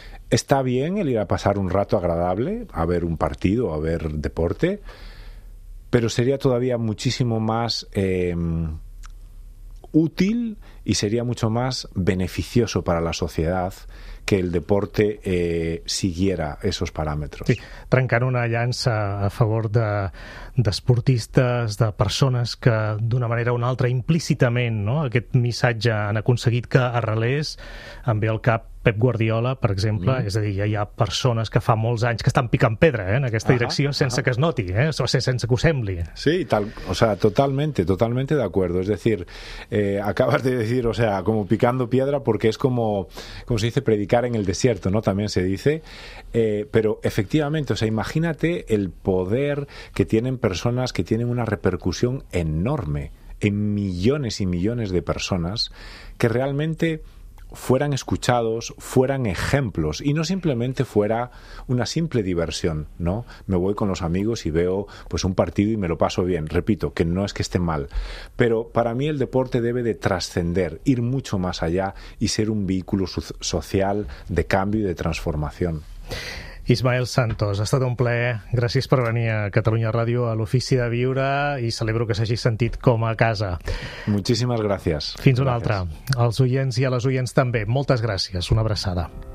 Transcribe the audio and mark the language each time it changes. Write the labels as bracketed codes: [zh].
[es] Está bien el ir a pasar un rato agradable, a ver un partido, a ver deporte, pero sería todavía muchísimo más útil y sería mucho más beneficioso para la sociedad que el deporte siguiera esos parámetros. [ca] Sí, trencant una llança a favor d'esportistes, de persones que d'una manera o una altra implícitament, no?, aquest missatge han aconseguit que arrelés, em ve al cap Pep Guardiola, per exemple, és a dir, hi ha persones que fa molts anys que estan picant pedra en aquesta direcció sense que es noti, o sense que ho sembli. Sí, totalmente d'acord. És a dir, acabes de dir, com picando pedra, perquè és com [es] se dice, predicar en el desierto, ¿no? También se dice. [ca] Però, efectivament, [es] imagínate el poder que tienen personas que tienen una repercusión enorme en millones y millones de personas que realmente fueran escuchados, fueran ejemplos y no simplemente fuera una simple diversión, ¿no? Me voy con los amigos y veo pues un partido y me lo paso bien. Repito, que no es que esté mal, pero para mí el deporte debe de trascender, ir mucho más allá y ser un vehículo social de cambio y de transformación. [ca] Ismael Santos, ha estat un plaer. Gràcies per venir a Catalunya Ràdio, a l'Ofici de Viure, i celebro que s'hagi sentit com a casa. Moltíssimes gràcies. Fins una altra. Als oients i a les oients també, moltes gràcies. Una abraçada.